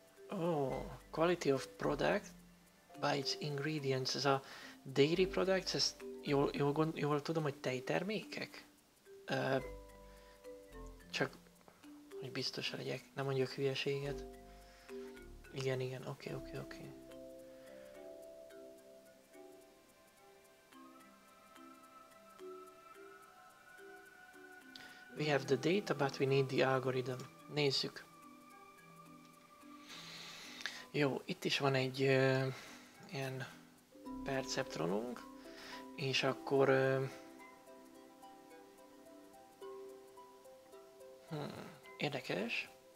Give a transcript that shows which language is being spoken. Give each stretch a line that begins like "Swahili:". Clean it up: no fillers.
English: Oh, quality of product by its ingredients.
Hungarian: Ez a
English: dairy products,
Hungarian: ez jól tudom, hogy tejtermékek? Csak, hogy biztos legyek, nem mondjak hülyeséget. Igen, oké.
English: We have the data, but we need the algorithm.
Hungarian: Nézzük. Jó, itt is van egy ilyen perceptronunk, és akkor... érdekes.